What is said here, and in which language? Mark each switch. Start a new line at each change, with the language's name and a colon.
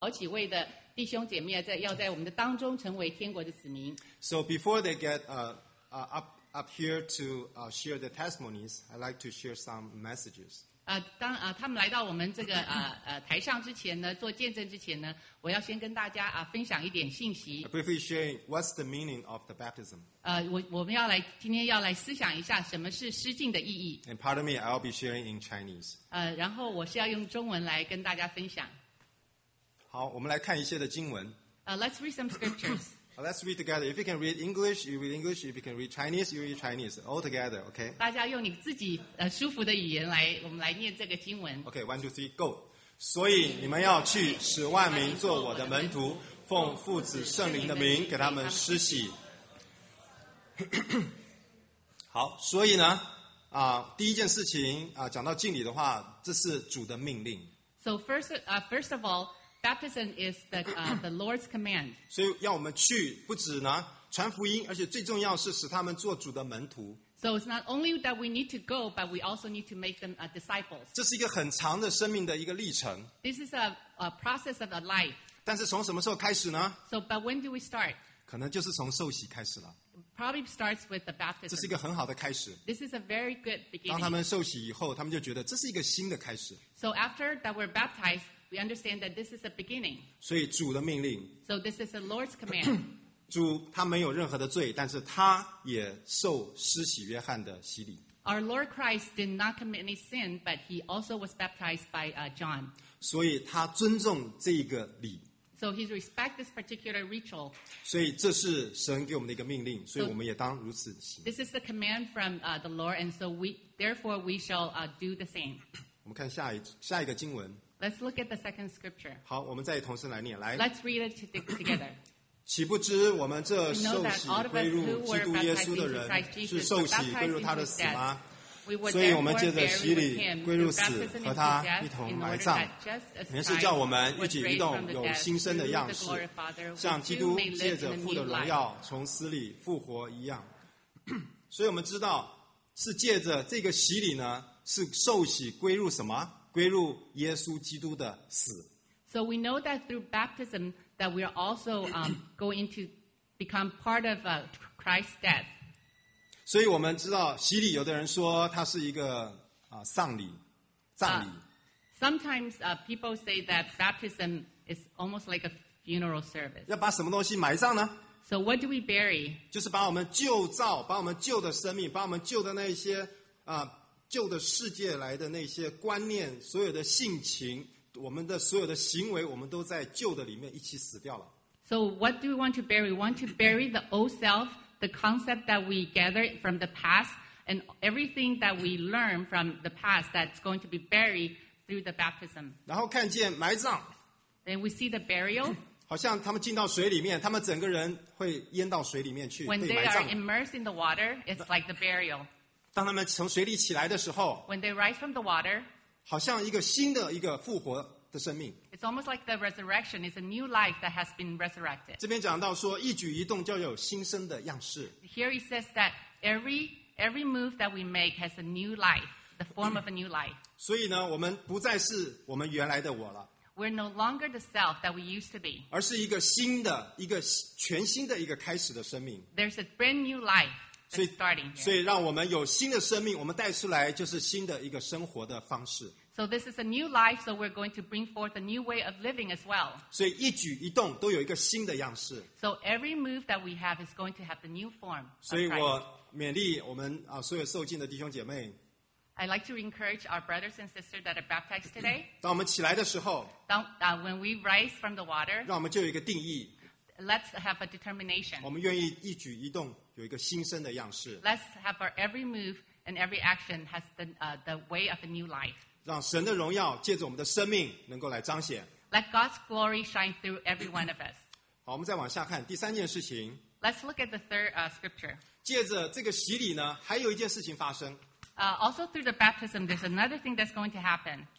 Chinese: 好几位的弟兄姐妹在要在我们的当中成为天国的子民。
English: So before they get up here to share the testimonies, I'd like to share some messages.
Chinese: 当他们来到我们这个台上之前呢，做见证之前呢，我要先跟大家分享一点信息。
English: I briefly sharing what's the meaning of the baptism.
Chinese: 我们要来今天要来思想一下什么是施浸的意义。
English: And pardon me, I'll be sharing in Chinese.
Chinese: 然后我是要用中文来跟大家分享。好，我们来看一些的经文。
English: Let's read some scriptures. Let's read together. If you can read English, you read English. If you can read Chinese, you read Chinese. All together, okay? 大家用你自己舒服的语言来，我们来念这个经文。 Okay, one, two, three, go.
Chinese: 所以你们要去，使万民做我的门徒，奉父子圣灵的名给他们施洗。好，所以呢，第一件事情讲到敬礼的话，这是主的命令。
English: So first of all. Baptism is the Lord's command.
Chinese: 所以要我们去，不止呢传福音，而且最重要是使他们做主的门徒。
English: So it's not only that we need to go, but we also need to make them disciples.
Chinese: 这是一个很长的生命的一个历程。
English: This is a process of a life.
Chinese: 但是从什么时候开始呢
English: ？So, but when do we start?
Chinese: 可能就是从受洗开始了。
English: Probably starts with the baptism.
Chinese: 这是一个很好的开始。
English: This is a very good beginning.
Chinese: 当他们受洗以后，他们就觉得这是一个新的开始。
English: So after that we're baptized. We understand that this is a beginning.
Chinese: 所以主的命令。
English: So this is the Lord's command.
Chinese: 主他没有任何的罪，但是他也受施洗约翰的洗礼。
English: Our Lord Christ did not commit any sin, but he also was baptized by John.
Chinese: 所以他尊重这个礼。
English: So he respects this particular ritual.
Chinese: 所以这是神给我们的一个命令，所以我们也当如此行。
English: This is the command from the Lord, and so therefore we shall do the same.
Chinese: 我们看下一个经文。
English: Let's look at the second scripture.
Chinese: 好，我们再同时来念，来。
English: Let's read it together.
Chinese: 岂不知我们这受洗归入基督耶稣的人，是受洗归入他的死吗？所以我们借着洗礼归入死，和他一同埋葬，原是叫我们一举一动有新生的样式，像基督借着父的荣耀从死里复活一样。所以我们知道，是借着这个洗礼呢，是受洗归入什么？归入耶稣基督的死。
English: So we know that through baptism that we are also going to become part of Christ's death.
Chinese: 所以我们知道洗礼，有的人说它是一个丧礼、葬礼。
English: Sometimes people say that baptism is almost like a funeral service.
Chinese: 要把什么东西埋葬呢？
English: So what do we bury?
Chinese: 就是把我们旧造、把我们旧的生命、把我们旧的那些旧的世界来的那些观念，所有的性情，我们的所有的行为，我们都在旧的里面一起死掉了。
English: So what do we want to bury? We want to bury the old self, the concept that we gathered from the past, and everything that we learned from the past that's going to be buried through the baptism.
Chinese: 然后看见埋葬。
English: Then we see the burial.
Chinese: 好像他们进到水里面，他们整个人会淹到水里面去。
English: When they are immersed in the water, it's like the burial.
Chinese: 当他们从水里起来的时候
English: When they rise from the water,
Chinese: 好像一个新的一个复活的生命
English: It's almost like the resurrection is a new life that has been resurrected
Chinese: 这边讲到说一举一动就有新生的样式
English: Here he says that every move that we make has a new life the form of a new life
Chinese: 所以呢我们不再是我们原来的我了
English: We're no longer the self that we used to be
Chinese: 而是一个新的一个全新的一个开始的生命
English: There's a brand new life
Chinese: So, 让我们有新的生命，我们带出来就是新的一个生活的方式。
English: So this is a new life, so we're going to bring forth a new way of living as well.
Chinese: 所以一举一动都有一个新的样式。
English: So every move that we have is going to have the new form.
Chinese: 所以我勉励我们所有受浸的弟兄姐妹。
English: I'd like to encourage our brothers and sisters that are baptized today.
Chinese: 当我们起来的时候。
English: When we rise from the water.
Chinese: 让我们就有一个定义。
English: Let's have a determination.
Chinese: 我们愿意一举一动。有一个新生的样式。
English: Let's have our every move and every action has the way of a new life.
Chinese: 让神的荣耀借着我们的生命能够来彰显。
English: Let God's glory shine through every one of us.
Chinese: 好，我们再往下看第三件事情。
English: Let's look at the third scripture.
Chinese: 借着这个洗礼呢，还有一件事情发生。
English: Also through the baptism, there's another thing that's going to happen.